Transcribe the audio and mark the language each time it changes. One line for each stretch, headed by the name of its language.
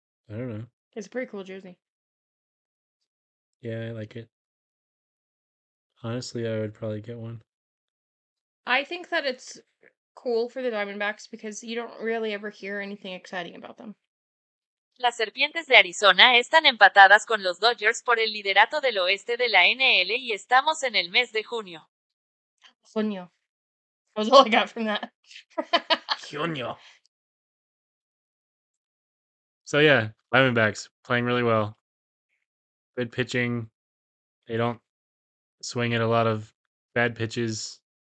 English: I don't know. It's a pretty cool jersey. Yeah, I like it. Honestly, I would probably get one. I think that it's cool for the Diamondbacks because you don't really ever hear anything exciting about them.
Spanish: Las Serpientes de Arizona están empatadas con los Dodgers por el liderato del oeste de la NL y estamos en el mes de junio. Junio.
English: That was all I got from that.
Spanish: Junio.
English: So yeah, Diamondbacks playing really well. Good pitching. They don't swing at a lot of bad pitches.